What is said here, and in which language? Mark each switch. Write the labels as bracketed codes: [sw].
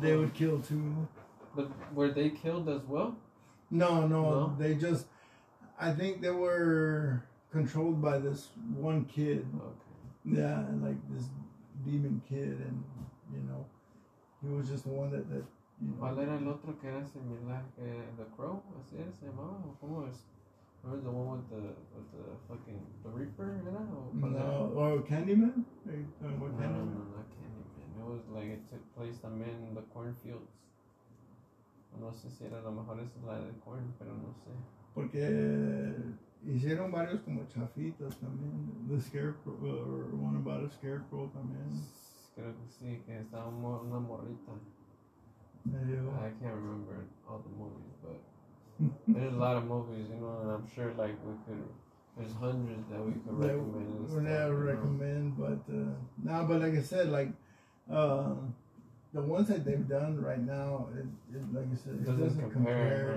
[en] They would kill too. But were they killed as well? No. They just. I think they were controlled by this one kid. Okay. Yeah, like this demon kid, and you know, he was just the one that you know. [es] ¿Cuál era el otro que era similar que the crow? ¿Así es, hermano? ¿Cómo es? [en] Remember the one with the fucking the Reaper, ¿verdad? Or Candyman? No, not Candyman. It was like it took place también in the cornfields. [es] No sé si era lo mejor es la de corn, pero no sé. Porque hicieron varios como chafitas también. [en] The Scarecrow, or one about a Scarecrow también. [es] Creo que sí, que estaba una morrita. Medio. [en] I can't remember all the movies, but there's a lot of movies, you know, and I'm sure like we could, there's hundreds that we could recommend. But like I said, like, the ones that they've done right now, it like I said, it doesn't compare.